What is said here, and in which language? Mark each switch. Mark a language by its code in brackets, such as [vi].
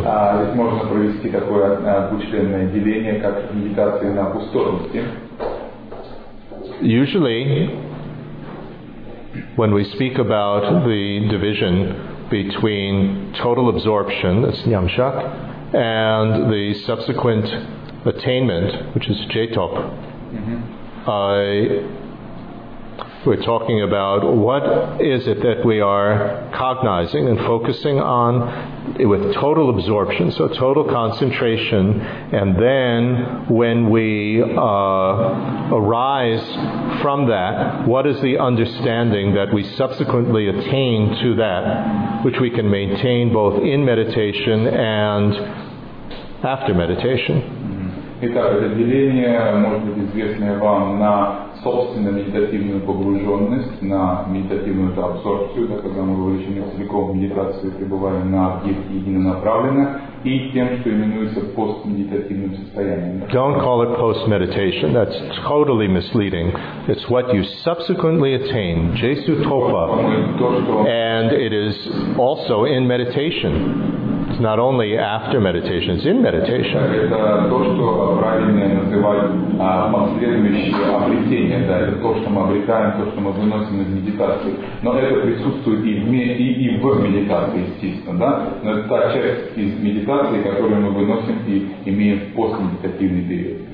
[ru] Здесь можно провести такое двухчленное деление, как медитация на пустотности. [en] Usually, when we speak about the division between total absorption, that's nyamshak, and the subsequent attainment, which is jetop, we're talking about what is it that we are cognizing and focusing on with total absorption, so total concentration, and then when we arise from that, what is the understanding that we subsequently attain to that, which we can maintain both in meditation and after meditation. [ru] Итак, это деление, может быть, известное вам на собственную медитативную погруженность, на медитативную абсорбцию, да, когда мы вовлечены целиком в медитацию и пребываем на объекте единонаправленно, и тем, что именуется постмедитативным состоянием. [en] Don't call it post-meditation. That's totally misleading. It's what you subsequently attain, jesu topa, and it is also in meditation. It's not only after meditation, it's in meditation. [ru] Это то, что правильно называть последующее обретение, да, это то, что мы обретаем, то, что мы выносим из медитации. Но это присутствует и в медитации, естественно, да? Но это та часть из медитации, которую мы выносим и имеем в постмедитативный период.